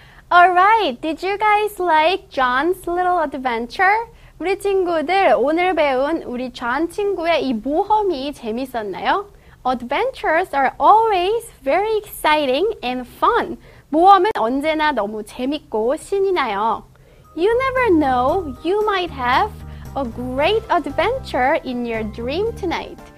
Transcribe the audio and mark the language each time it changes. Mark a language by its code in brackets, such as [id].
[en] Alright, did you guys like John's little adventure? [ko] 우리 친구들, 오늘 배운 우리 존 친구의 이 모험이 재밌었나요? [en] Adventures are always very exciting and fun. [ko] 모험은 언제나 너무 재밌고 신이 나요. [en] You never know, you might have a great adventure in your dream tonight.